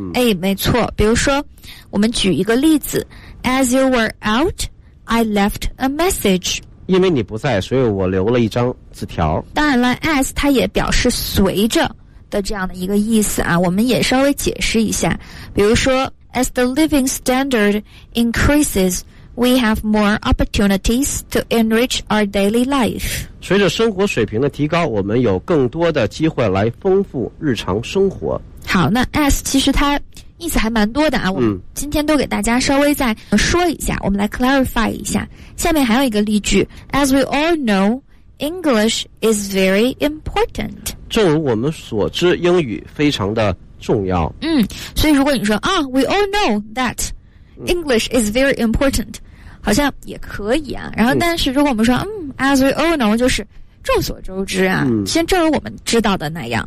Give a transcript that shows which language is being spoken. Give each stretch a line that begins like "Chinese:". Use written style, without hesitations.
Chinese: 哎，没错，比如说，我们举一个例子 ，
English: as you were out, I left a message。
Chinese: 因为你不在，所以我留了一张字条。当然了 ，as 它也表示随着。的这样的一个意思啊，我们也稍微解释一下。
English: 比如说 ,as the living standard increases,We have more opportunities to enrich our daily life.
Chinese: 随着生活水平的提高，我们有更多的机会来丰富日常生活。好，那 as 其实它意思还蛮多的啊。我们今天都给大家稍微再说一下，我们来 clarify 一下。下面还有一个例句
English: ，As we all know, English is very important.
Chinese: 正如我们所知，英语非常的重要。
English: 嗯，所以如果你说啊 ，We all know that. English is very important, 好像也可以啊。
Chinese: 然后但是如果我们说
English: as we all know,
Chinese: 就是众所周知啊，先正如我们知道的那样。